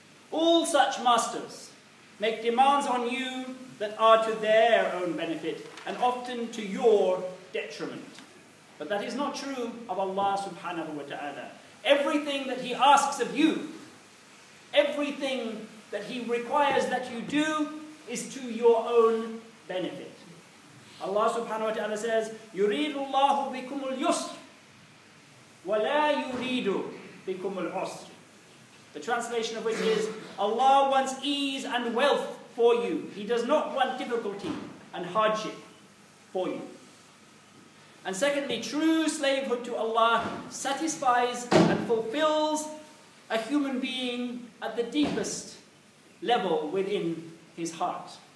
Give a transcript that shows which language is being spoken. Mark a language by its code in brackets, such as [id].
[en] All such masters make demands on you that are to their own benefit and often to your detriment. But that is not true of Allah subhanahu wa ta'ala. Everything that he asks of you, everything that he requires that you do is to your own benefit. Allah subhanahu wa ta'ala says, [ar] يُرِيدُ اللَّهُ بِكُمُ الْيُسْرِ وَلَا يُرِيدُ بِكُمُ الْعُسْرِ. [en] The translation of which is, Allah wants ease and wealth for you. He does not want difficulty and hardship for you. And secondly, true slavehood to Allah satisfies and fulfills a human being at the deepest level within his heart.